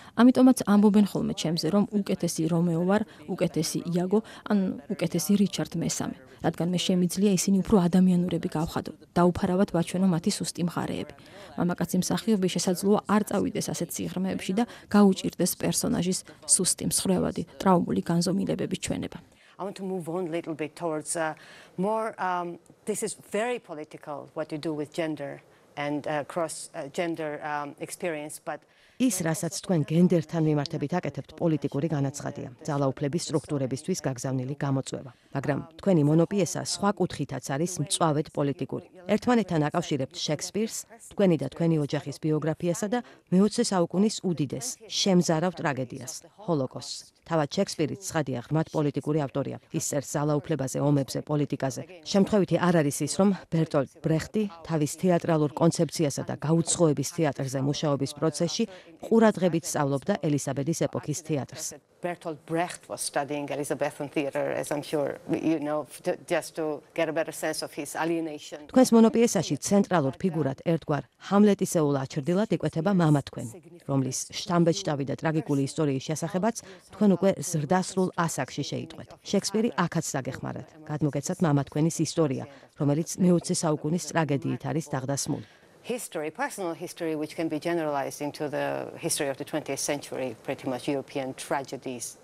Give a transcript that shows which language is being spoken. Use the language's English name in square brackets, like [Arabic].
[Georgian] ამიტომაც ამბობენ ხოლმე ჩემზე, რომ უკეთესი რომეო ვარ, უკეთესი იაგო, ან უკეთესი რიჩარდ მესამე. რადგან მე შემიძლია ისინი უფრო ადამიანურები გავხადო და უფარავად ვაჩვენო მათი სუსტი მხარეები. მამაკაცი მსახიობი შესაძლოა არ წავიდეს ასეთ სიღრმეებში და გაუჭირდეს პერსონაჟის სუსტი მსხვრევადი, ტრავმული განზომილებების ჩვენება. [English] I want to move on a little bit towards more this is very political what you do with gender and cross gender experience but [Georgian] ის, რასაც თქვენ გენდერთან მიმართებით აკეთებთ, პოლიტიკური განაცხადია, ძალაუფლების სტრუქტურებისთვის გაგზავნილი გამოწვევა. მაგრამ თქვენი მონოპიესა სხვა კუთხითაც არის მწვავედ პოლიტიკური. ერთმანეთთან აკავშირებთ შექსპირს, თქვენი და თქვენი ოჯახის ბიოგრაფიასა და მეოცე საუკუნის უდიდეს შემზარავ ტრაგედიას, ჰოლოკოსტს. თავად შექსპირი ცხადია ღრმად პოლიტიკური ავტორია. ის წერს ძალაუფლებაზე, ომებზე, პოლიტიკაზე. შემთხვევითი არ არის ის, რომ ბერტოლდ ბრეხტი თავის თეატრალურ კონცეფციასა და გაუცხოების თეატრზე მუშაობის პროცესში ყურადღებით სწავლობდა ელისაბედის ეპოქის თეატრს. [English] Bertolt Brecht was studying Elizabethan theater as I'm sure you know just to get a better sense of his alienation. [Georgian] თქვენს მონოპიესაში ცენტრალურ ფიგურად ერთგვარ ჰამლეტისეულ აჩრდილად იკვეთება მამა თქვენ, რომლის შტამბეჭდავი და ტრაგიკული ისტორიის შესახებაც თქვენ უკვე ზრდასრულ ასაკში შეიტყვეთ. შექსპირი აქაც დაგეხმარათ. გადმოგეცათ მამა თქვენის ისტორია, რომელიც მეოცე საუკუნის ტრაგედიით არის დაღდასმული. [English] History, personal history, which can be generalized into the history of the 20th century, pretty much European tragedies.